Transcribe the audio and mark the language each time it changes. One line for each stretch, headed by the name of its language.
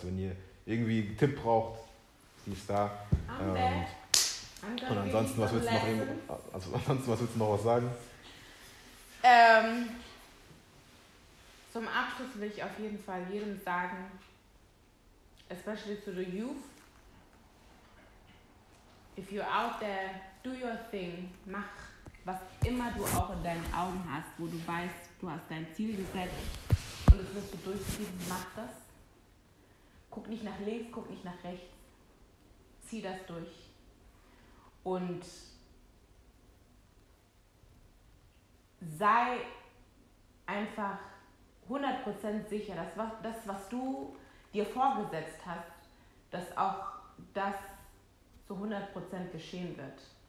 German: Wenn ihr irgendwie einen Tipp braucht, sie ist da. Und ansonsten, was willst du noch sagen? Zum Abschluss will ich auf jeden Fall jedem sagen,
English: especially to the youth. If you're out there, do your thing.
German: Mach, was immer du auch in deinen Augen hast, wo du weißt, du hast dein Ziel gesetzt und das wirst du durchziehen, mach das. Guck nicht nach links, guck nicht nach rechts. Zieh das durch. Und sei einfach 100% sicher, dass das, was du dir vorgesetzt hast, dass auch das zu 100% geschehen wird.